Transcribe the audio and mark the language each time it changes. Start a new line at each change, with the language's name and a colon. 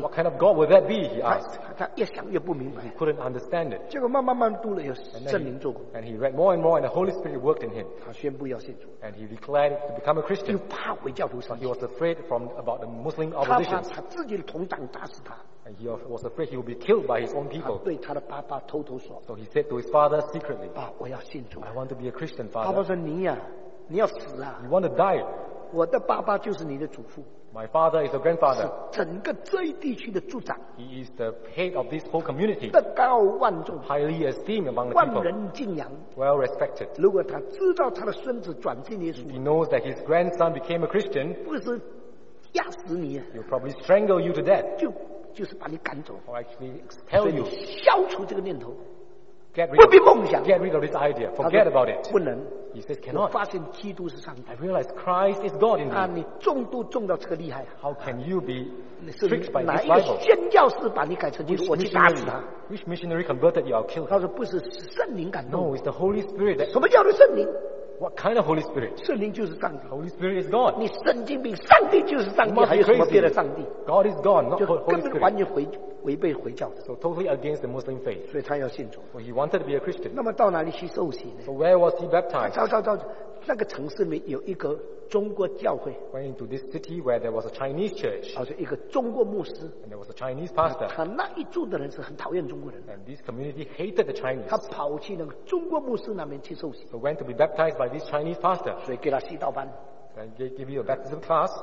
English: What kind of God would that be? He asked
Chinese: 他越想越不明白
English: He couldn't understand it
Chinese: 结果慢慢读了有圣灵做工
English: And he read more and more and the Holy Spirit worked in him
Chinese: 他宣布要信主
English: And he declared to become a Christian
Chinese: 又怕回教徒生气
English: He was afraid about the Muslim opposition
Chinese: 他怕他自己的同党打死他
English: And he was afraid he would be killed by his own people
Chinese: 他对他的爸爸偷偷说
English: So he said to his father secretly
Chinese: 爸我要信主
English: I want to be a Christian father
Chinese: 爸爸说你呀你要死啊
English: you want to die.
Chinese: 我的爸爸就是你的祖父
English: My father is a grandfather.
Chinese: 是整个这一地区的族长
English: He is the head of this whole community.
Chinese: 德高万众
English: Highly esteemed among the people.
Chinese: 万人敬仰
English: Well respected.
Chinese: 如果他知道他的孙子转信耶稣
English: He knows that his grandson became a Christian.
Chinese: 不是压死你
English: He'll probably strangle you to death.
Chinese: 就是把你赶走
English: Or actually expel you.
Chinese: 消除这个念头
English: Get rid of this idea. Forget about it.
Chinese: 不能
English: He says, cannot.
Chinese: 我发现基督是上帝。
English: I realize Christ is God in me.
Chinese: 你重度重到这个厉害。
English: How can you be tricked by this Bible?
Chinese: 哪一个宣教士把你改成基督？我去打死他。
English: Which missionary converted you? I'll kill him.
Chinese: 他说不是圣灵感动。
English: No, it's the Holy Spirit.
Chinese: 什么叫做圣灵？
English: What kind of Holy Spirit?
Chinese: 圣灵就是上帝。
English: Holy Spirit is God.
Chinese: 你神经病，上帝就是上帝，还有什么别的上帝
English: ？God is God, not Holy Spirit.
Chinese: 就根本完全回违背回教的。
English: So totally against the Muslim faith.
Chinese: 所以他要信主。
English: So he wanted to be a Christian.
Chinese: 那么到哪里去受洗呢？
English: So where was he baptized?
Chinese: 到那个城市里面有一个中国教会。
English: Went into this city where there was a Chinese church.
Chinese: 好像一个中国牧师。
English: And there was a Chinese pastor.
Chinese: 他那一住的人是很讨厌中国人。
English: And this community hated the Chinese.
Chinese: 他跑去那个中国牧师那边去受洗。
English: So went to be baptized by this Chinese pastor.
Chinese: 所以给他洗道班。
English: And they give you a baptism class.